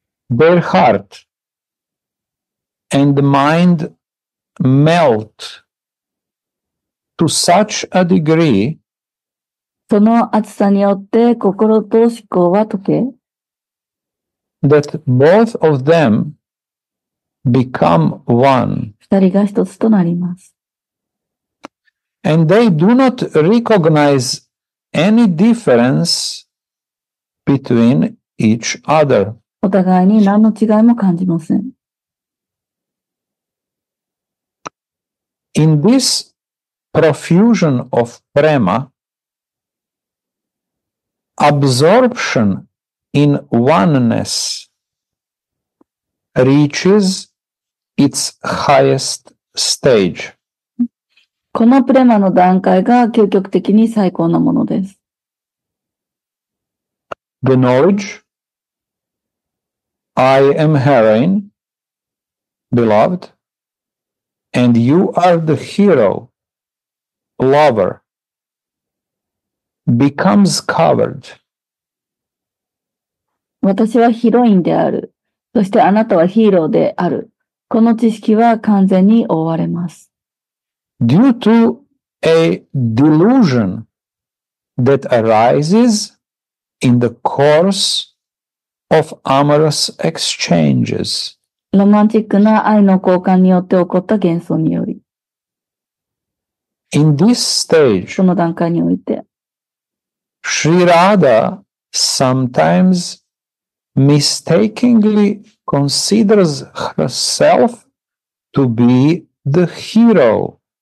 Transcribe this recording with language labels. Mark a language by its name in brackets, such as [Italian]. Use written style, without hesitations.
[English] Their heart and mind melt to such a degree [Japanese] その熱さによって心と思考は溶け [English] that both of them become one [Japanese] 二人が一つとなります。 [English] And they do not recognize any difference between each other. [Japanese] お互いに何の違いも感じません。 [English] In this profusion of prema, absorption in oneness reaches its highest stage. [Japanese] このプレマの段階が究極的に最高のものです。 [English] The knowledge, I am heroin, beloved, and you are the hero, lover, becomes covered. [Japanese] 私はヒロインである。そしてあなたはヒーローである。この知識は完全に覆われます。 [English] Due to a delusion that arises in the course of amorous exchanges. [Japanese] ロマンチックな愛の交換によって起こった幻想により。 [English] In this stage, [Japanese] その段階において、 [English] Sri Radha sometimes mistakenly considers herself to be the hero.